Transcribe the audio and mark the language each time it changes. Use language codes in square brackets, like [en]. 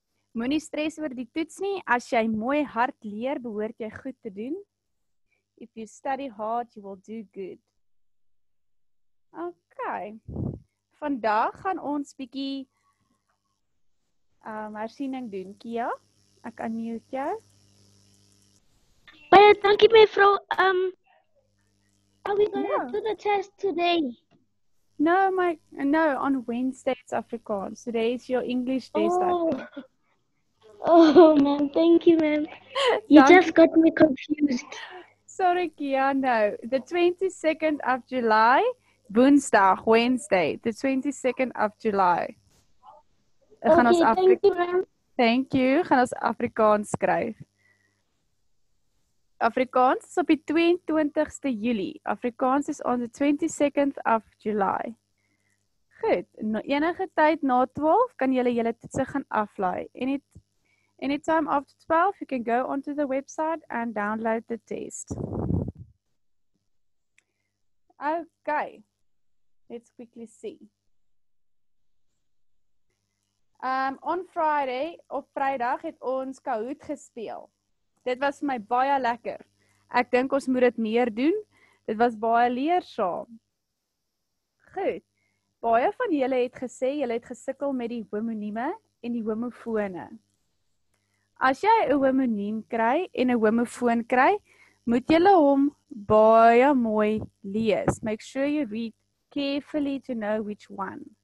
[af] Moenie stres oor die toets nie, as jy mooi hard leer, behoort jy goed te doen. [en] If you study hard, you will do good. [af] Ok, vandag gaan ons bykie hersiening doen, Kia. Ek unmute jou. Baie dankie mevrou. [en] Are we going to do the test today? No, on Wednesday it's Afrikaans. Today is your English test. Oh, ma'am, thank you, ma'am. You just got me confused. Sorry, Kia, no. The 22nd of July, Woensdag, Wednesday, the 22nd of July. Okay, thank you, ma'am. Thank you. [af] Gaan ons Afrikaans skryf. Afrikaans is op die 22ste Juli. [en] Afrikaans is on the 22nd of July. [af] Goed, enige tyd na 12 kan julle julle toetse gaan aflaai. [en] Anytime after 12, you can go onto the website and download the test. Okay, let's quickly see. On Friday, [af] op Vrydag, het ons Kahoot gespeel. Dit was my baie lekker. Ek dink ons moet dit meer doen. Dit was baie leersaam. Goed, baie van julle het gesê, julle het gesukkel met die homonieme en die homofone. As jy een homoniem kry en een homofoon kry, moet jylle hom baie mooi lees. [en] Make sure you read carefully to know which one.